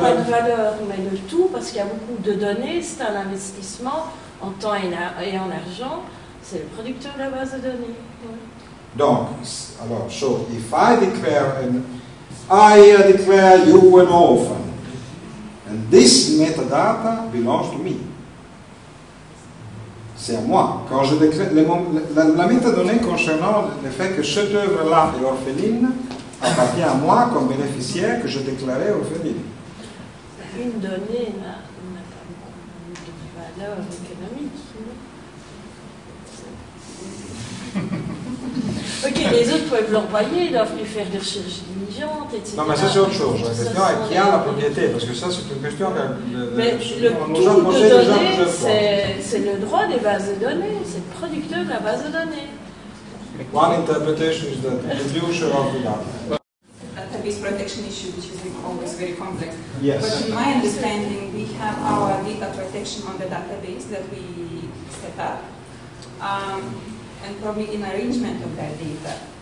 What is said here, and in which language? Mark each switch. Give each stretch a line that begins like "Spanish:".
French: pas de valeur, mais le tout, parce qu'il y a beaucoup de données, c'est un investissement en temps et en argent, c'est le producteur de la base de données. Ouais.
English: Donc, alors, so, if I declare, and I declare you an orphan, and this metadata belongs to me.
French: C'est à moi. Quand je décrète, la métadonnée concernant le fait que cette œuvre-là est orpheline appartient à moi comme bénéficiaire que je déclarais orpheline. Une donnée n'a pas beaucoup de valeur économique. Ok, les autres peuvent l'envoyer, doivent lui faire des recherches diligentes, etc. Non, mais ça c'est autre chose. La question est qui a la propriété, parce que ça c'est une question que nous avons posée déjà plusieurs fois. C'est le droit des bases de données, c'est le producteur de la base de données.
English: One interpretation is that the producer of the data. That is protection issue, which is always very complex. Yes. But in my understanding, we have our data protection on the database that we set up, and probably in arrangement of that data.